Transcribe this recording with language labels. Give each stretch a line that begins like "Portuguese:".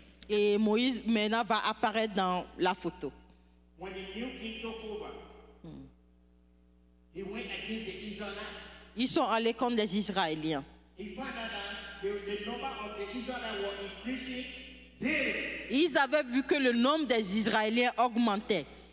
French: Et Moïse maintenant va apparaître dans la photo.
English: When the new king took over, he went against the Israelites.
French: Ils sont allés contre les Israéliens. Ils avaient vu que le nombre des Israéliens augmentait.